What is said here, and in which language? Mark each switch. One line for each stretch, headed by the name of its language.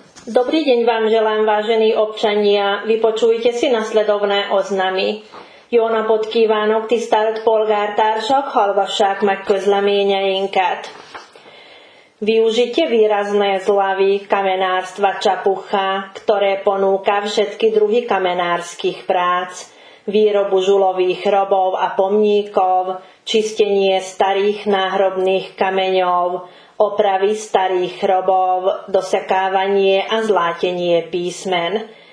Slovak: Dobrý deň vám želám, vážení občania. Vypočujte si nasledovné oznamy.
Hungarian: Jó napot kívánok, tisztelt polgártársak, hallgassák meg közleményeinket.
Slovak: Využite výrazné zľavy kamenárstva Čapucha, ktoré ponúka všetky druhy kamenárskych prác, výrobu žulových hrobov a pomníkov, čistenie starých náhrobných kameňov, opravy starých hrobov, dosekávanie a zlátenie písmen.